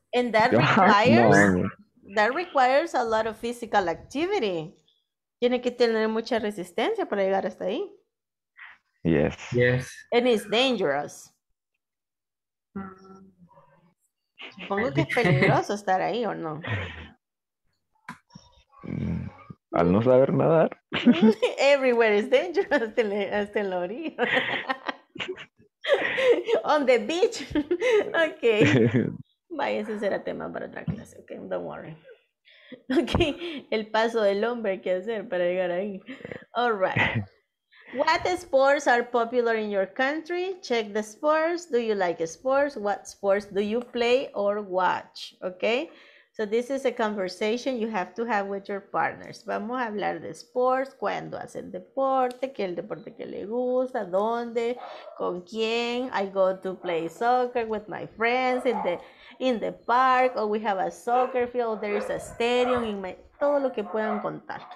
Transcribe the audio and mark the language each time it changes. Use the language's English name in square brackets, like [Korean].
[English] And that requires a lot of physical activity. [Spanish] Tiene que tener mucha resistencia para llegar hasta ahí. [English] Yes. And it's dangerous. [Spanish] Supongo que es peligroso estar ahí, ¿o no? Al no saber nadar. [English] Everywhere is dangerous, [Spanish] hasta en la orilla. [English] On the beach. [Spanish] Okay. Vaya, ese será tema para otra clase. Okay, [English] don't worry. [Spanish] Okay, el paso del hombre que hacer para llegar ahí. [English] All right. What sports are popular in your country? Check the sports. Do you like sports? What sports do you play or watch? Okay, so this is a conversation you have to have with your partners. [Spanish] Vamos a hablar de sports, cuando hacen deporte que le gusta, dónde, con quién. [English] I go to play soccer with my friends in the park, or we have a soccer field, there is a stadium, in my, [Spanish] todo lo que puedan contar.